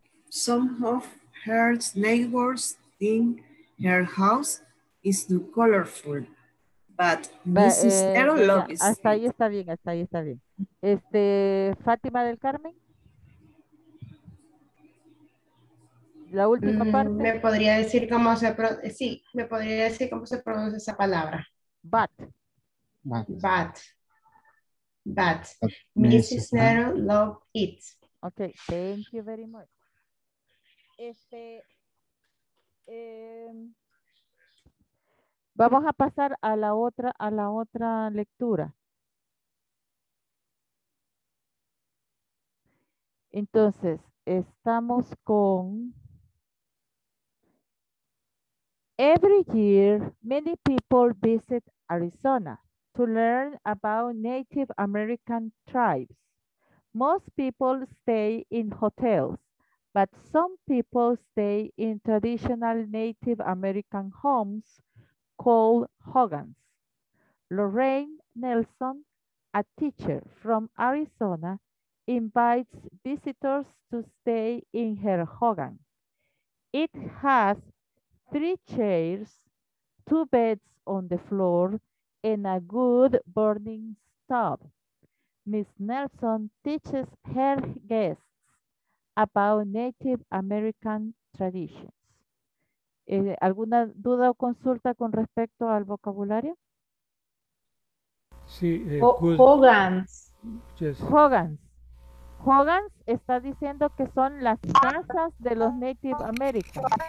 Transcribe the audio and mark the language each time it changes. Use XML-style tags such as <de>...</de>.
<en>Some of her neighbors think her house is too colorful. But this is Nero loves.</en> <es>Hasta ahí está bien, hasta ahí está bien. Este, Fátima del Carmen. La última parte. Me podría decir cómo se pronuncia esa palabra.</es> <en>But. Mrs. Nero loves it. Okay, thank you very much.</en> <es>Este, vamos a pasar a la otra, lectura. Entonces, estamos con</es> <en>every year, many people visit Arizona to learn about Native American tribes. Most people stay in hotels, but some people stay in traditional Native American homes called Hogans. Lorraine Nelson, a teacher from Arizona, invites visitors to stay in her Hogan. It has three chairs, two beds on the floor, and a good burning stove. Miss Nelson teaches her guests about Native American traditions.</en> <es>¿Alguna duda o consulta con respecto al vocabulario? Sí.</es> <en>Hogans. Yes. Hogans.</en> <es>Hogans está diciendo que son las casas de los Native Americans.</es>